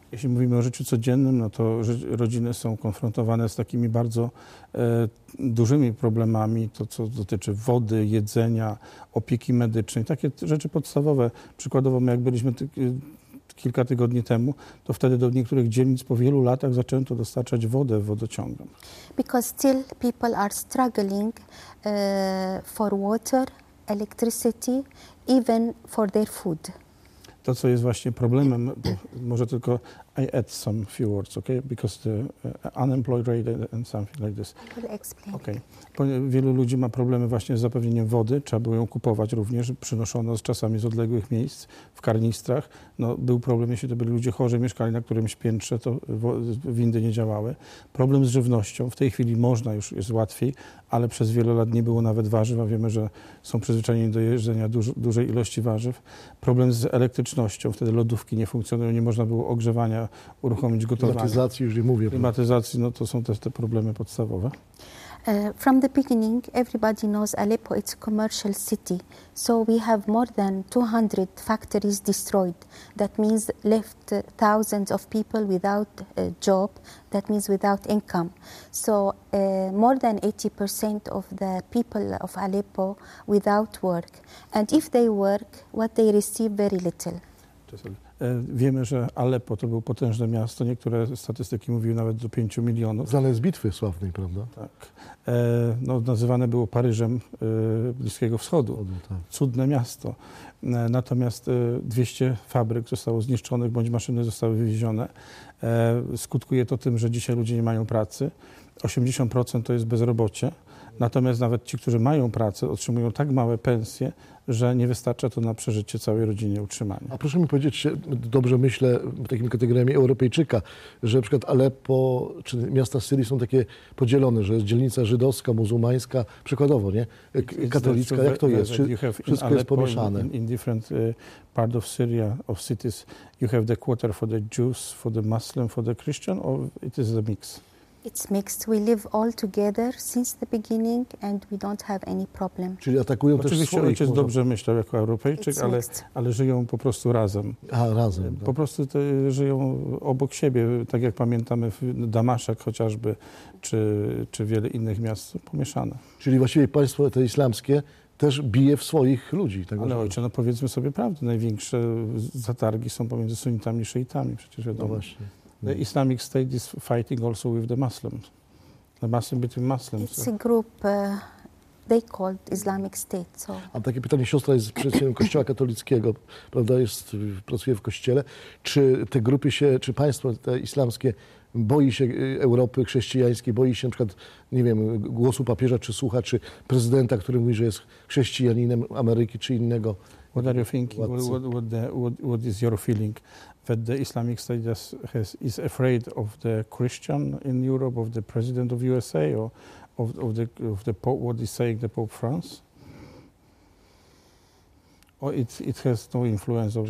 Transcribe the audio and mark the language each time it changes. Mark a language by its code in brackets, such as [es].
[pl] Jeśli mówimy o życiu codziennym, no to rodziny są konfrontowane z takimi bardzo dużymi problemami, to co dotyczy wody, jedzenia, opieki medycznej, takie rzeczy podstawowe. Przykładowo my, jak byliśmy kilka tygodni temu, to wtedy do niektórych dzielnic po wielu latach zaczęto dostarczać wodę wodociągiem. [en] Because still people are struggling for water, electricity, even for their food. [pl] To, co jest właśnie problemem, bo może tylko [en] I add some few words, okay? Because the unemployed rate and something like this. I will explain. Okay. [pl] Wielu ludzi ma problemy właśnie z zapewnieniem wody. Trzeba było ją kupować również. Przynoszono czasami z odległych miejsc w karnistrach. No, był problem, jeśli to byli ludzie chorzy, mieszkali na którymś piętrze, to windy nie działały. Problem z żywnością. W tej chwili można, już jest łatwiej, ale przez wiele lat nie było nawet warzyw, a wiemy, że są przyzwyczajeni do jedzenia dużej ilości warzyw. Problem z elektrycznością. Wtedy lodówki nie funkcjonują, nie można było ogrzewania uruchomić, gotowania. Klimatyzacji już nie mówię. Klimatyzacji, no to są też te problemy podstawowe. [en] From the beginning, everybody knows Aleppo, it's a commercial city. So we have more than 200 factories destroyed. That means left thousands of people without a job, that means without income. So more than 80% of the people of Aleppo without work. And if they work, what they receive, very little. [pl] Wiemy, że Aleppo to było potężne miasto, niektóre statystyki mówiły nawet do 5 milionów. Znane z bitwy sławnej, prawda? Tak. No, nazywane było Paryżem Bliskiego Wschodu. Cudne miasto. Natomiast 200 fabryk zostało zniszczonych, bądź maszyny zostały wywiezione. Skutkuje to tym, że dzisiaj ludzie nie mają pracy. 80% to jest bezrobocie. Natomiast nawet ci, którzy mają pracę, otrzymują tak małe pensje, że nie wystarcza to na przeżycie całej rodziny, utrzymanie. A proszę mi powiedzieć, dobrze myślę takimi kategoriami Europejczyka, że na przykład Aleppo czy miasta Syrii są takie podzielone, że jest dzielnica żydowska, muzułmańska, przykładowo, nie? Katolicka, jak to jest? Wszystko jest pomieszane. [en] In different part of Syria, of cities, you have the quarter for the Jews, for the Muslim, for the Christian, or it is a mix? It's mixed. We live all together since the beginning and we don't have any problem. [pl] Czyli atakują też swoich. Oczywiście ojciec dobrze myślał jako Europejczyk, ale żyją po prostu razem. A, razem. Po prostu żyją obok siebie, tak jak pamiętamy w Damaszek chociażby, czy wiele innych miast, pomieszane. Czyli właściwie państwo te islamskie też bije w swoich ludzi. Tak. Ale ojcze, no powiedzmy sobie prawdę, największe zatargi są pomiędzy sunnitami i szyitami, przecież wiadomo. No właśnie. [en] The Islamic State is fighting also with the Muslims. The Muslim between Muslims. It's a group they called Islamic State. So. [pl] A takie pytanie, siostra jest przedstawicielem Kościoła katolickiego, prawda, pracuje w kościele. Czy te grupy się, czy państwo te islamskie boi się Europy chrześcijańskiej, boi się na przykład, nie wiem, głosu papieża, czy słucha, czy prezydenta, który mówi, że jest chrześcijaninem Ameryki, czy innego? [en] What are you thinking? What is your feeling? That the Islamic State is afraid of the Christian in Europe, of the president of USA, or of the Pope, what is saying the Pope France? Or it has no influence over.